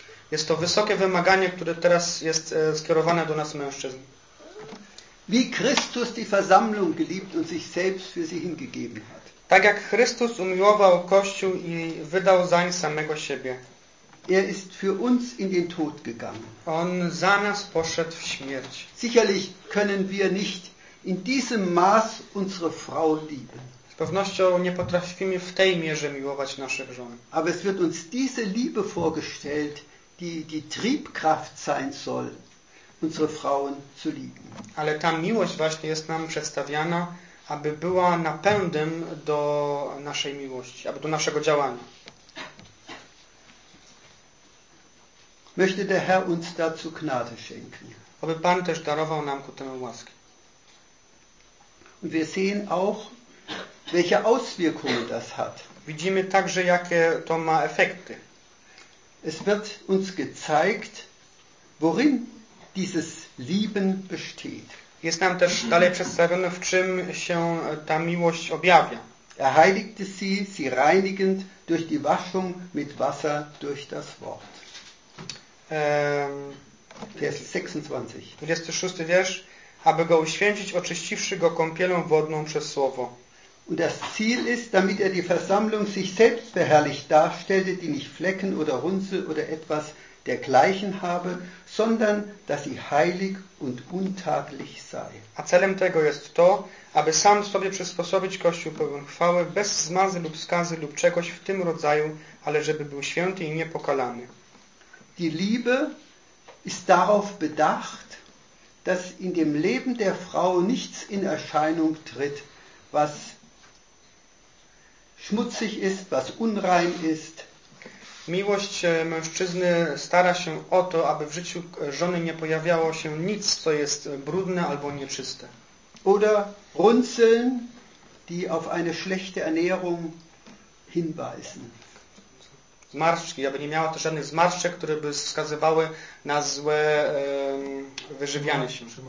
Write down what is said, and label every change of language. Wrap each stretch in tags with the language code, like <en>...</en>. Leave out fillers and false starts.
<pl>Jest to wysokie wymaganie, które teraz jest skierowane do nas mężczyzn.</pl> <de>Wie Christus die Versammlung geliebt und sich selbst für sie hingegeben hat.</de> <pl>Tak jak Chrystus umiłował Kościół i wydał zań samego siebie.</pl> <de>Er ist für uns in den Tod gegangen.</de> <pl>On za nas poszedł w śmierć.</pl> <de>Sicherlich können wir nicht in diesem Maß unsere Frau lieben.</de> <pl>Z pewnością nie potrafimy w tej mierze miłować naszych żon.</pl> <de>Aber es wird uns diese Liebe vorgestellt, die Triebkraft sein soll, unsere Frauen zu lieben.</de> <pl>Ale ta miłość właśnie jest nam przedstawiana, aby była napędem do naszej miłości, aby do naszego działania.</pl> <de>Möchte der Herr uns dazu Gnade schenken.</de> <pl>Aby Pan też darował nam ku temu łaskę.</pl> <de>Und wir sehen auch, welche Auswirkungen das hat.</de> <pl>Widzimy także, jakie to ma efekty.</pl> <de>Es wird uns gezeigt, worin dieses Lieben besteht.</de> <pl>Jest nam też dalej przedstawione, w czym się ta miłość objawia.</pl> <de>Er heiligte sie reinigend durch die Waschung mit Wasser durch das Wort. Vers 26.</de> <pl>26 wiersz, aby go uświęcić, oczyściwszy go kąpielą wodną przez słowo.</pl> <de>Und das Ziel ist, damit er die Versammlung sich selbst verherrlicht darstellte, die nicht Flecken oder Runzel oder etwas dergleichen habe, sondern dass sie heilig und untadlich sei.</de> <pl>A celem tego jest to, aby sam sobie przysposobić Kościół pełen chwały, bez zmazy lub skazy lub czegoś w tym rodzaju, ale żeby był święty i niepokalany.</pl> <de>Die Liebe ist darauf bedacht, dass in dem Leben der Frau nichts in Erscheinung tritt, was schmutzig ist, was unrein ist.</de> <pl>Miłość mężczyzny stara się o to, aby w życiu żony nie pojawiało się nic, co jest brudne albo nieczyste.</pl> <de>Oder runzeln, die auf eine schlechte Ernährung hinweisen.</de> <pl>Zmarszczki, aby nie miała to żadnych zmarszczek, które by wskazywały na złe wyżywianie się.</pl>